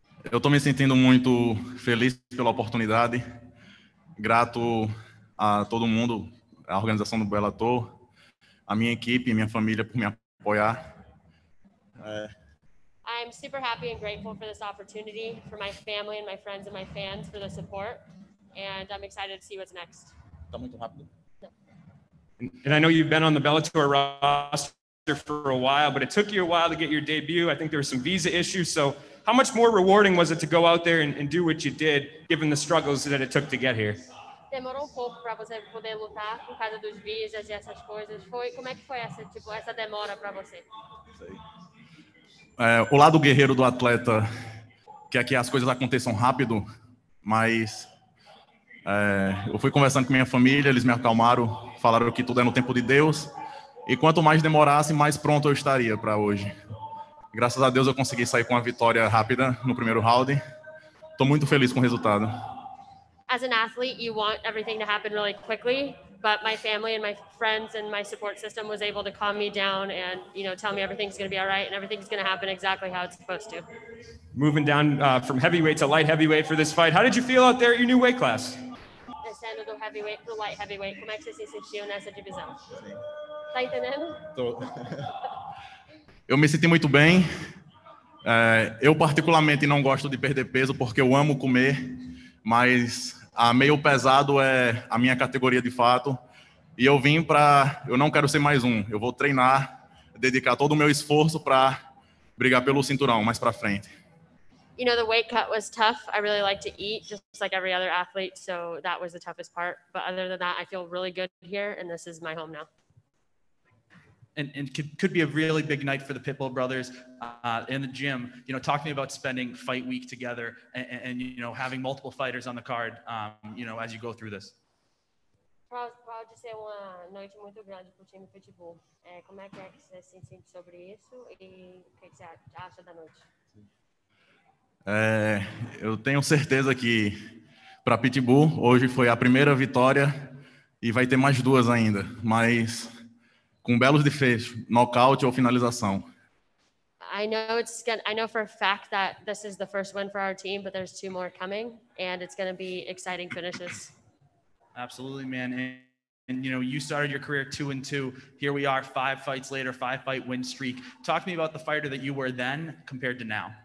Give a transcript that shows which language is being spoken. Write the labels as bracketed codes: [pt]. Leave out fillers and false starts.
[pt] Eu tô me sentindo muito feliz pela oportunidade, grato a todo mundo, a organização do Bellator, a minha equipe, minha família por me apoiar. [en] I'm super happy and grateful for this opportunity, for my family and my friends and my fans for the support, and I'm excited to see what's next. [pt] Tá muito rápido. [en] And I know you've been on the Bellator roster for a while, but it took you a while to get your debut. I think there were some visa issues. So how much more rewarding was it to go out there and do what you did, given the struggles that it took to get here? [pt] Demorou pouco para você poder lutar por causa dos visas e essas coisas. Foi, como é que foi essa, tipo, essa demora para você? É, o lado guerreiro do atleta quer que as coisas aconteçam rápido, mas é, eu fui conversando com minha família, eles me acalmaram, falaram que tudo é no tempo de Deus, e quanto mais demorasse, mais pronto eu estaria para hoje. Graças a Deus eu consegui sair com a vitória rápida no primeiro round. Estou muito feliz com o resultado. [en] As an athlete, you want everything to happen really quickly, but my family and my friends and my support system was able to calm me down and, you know, tell me everything's going to be all right and everything's going to happen exactly how it's supposed to. Moving down from heavyweight to light heavyweight for this fight, how did you feel out there at your new weight class? [pt] Descendo do heavyweight pro light heavyweight, como é que você se sentiu nessa divisão? Tá entendendo? Eu me senti muito bem. Eu particularmente não gosto de perder peso porque eu amo comer, mas a meio pesado é a minha categoria de fato. E eu vim para, eu não quero ser mais um. Eu vou treinar, dedicar todo o meu esforço para brigar pelo cinturão mais para frente. [en] You know, the weight cut was tough. I really like to eat just like every other athlete, so that was the toughest part, but other than that, I feel really good here and this is my home now. And could be a really big night for the Pitbull brothers in the gym. You know, talk to me about spending fight week together and you know, having multiple fighters on the card, you know, as you go through this. [pt] Pode ser uma noite muito grande pro time Pitbull. Como é que você se sente sobre isso e o que você acha da noite? Eu tenho certeza que para Pitbull hoje foi a primeira vitória e vai ter mais duas ainda, mas com belos defeitos, nocaute ou finalização. [en] I know for a fact that this is the first win for our team, but there's two more coming and it's going to be exciting finishes. Absolutely, man. And you know, you started your career 2-2. Here we are 5 fights later, 5 fight win streak. Talk to me about the fighter that you were then compared to now.